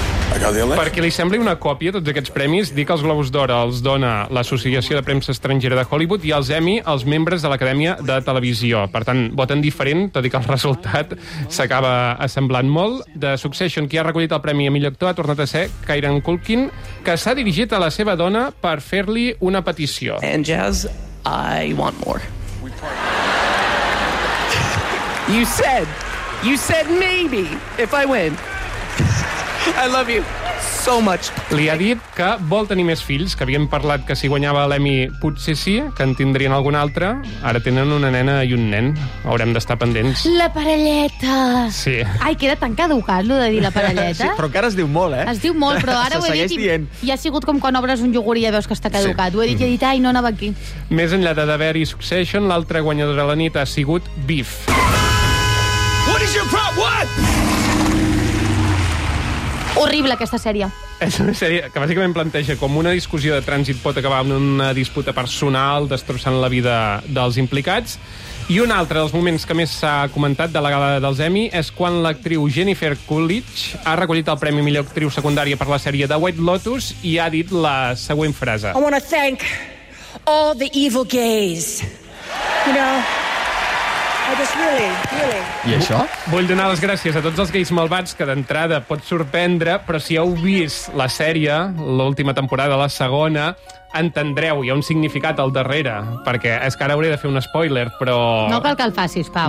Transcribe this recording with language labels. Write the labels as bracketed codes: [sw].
[ca] Perquè li sembli una còpia tots aquests premis, dic que els Globus d'Or els dona l'Associació de Premsa Estrangera de Hollywood i els Emmy els membres de l'Acadèmia de Televisió. Per tant, voten diferent, tot i que el resultat s'acaba assemblant molt. De Succession, qui ha recollit el premi a millor actor, ha tornat a ser Kieran Culkin, que s'ha dirigit a la seva dona per fer-li una petició. [en] And Jazz, I want more. You said maybe if I win. I love you. so much. [ca] Li ha dit que vol tenir més fills, que havien parlat que si guanyava l'Emmy potser sí, que en tindrien algun altre. Ara tenen una nena i un nen. Haurem d'estar pendents. La parelleta. Sí. Ai, queda tan caducat, lo de dir la parelleta. Sí, però encara es diu molt, eh? Es diu molt, però ara ho he dit dient. I ha sigut com quan obres un iogurt i ja veus que està caducat. Sí. Ho he dit i he dit, ai, no anava aquí. Més enllà de d'haver-hi Succession, l'altra guanyadora de la nit ha sigut Beef. [en] What is your problem? What? [ca] Horrible, aquesta sèrie. És una sèrie que bàsicament planteja com una discussió de trànsit pot acabar en una disputa personal, destrossant la vida dels implicats. I un altre dels moments que més s'ha comentat de la gala dels Emmy és quan l'actriu Jennifer Coolidge ha recollit el premi millor actriu secundària per la sèrie The White Lotus i ha dit la següent frase. [en] I want to thank all the evil gays. You know... Really. [ca] I això? Vull donar les gràcies a tots els gais malvats que d'entrada pot sorprendre, però si heu vist la sèrie, l'última temporada, la segona, entendreu, hi ha un significat al darrere, perquè és que ara hauré de fer un spoiler, però... No cal que el facis, Pau.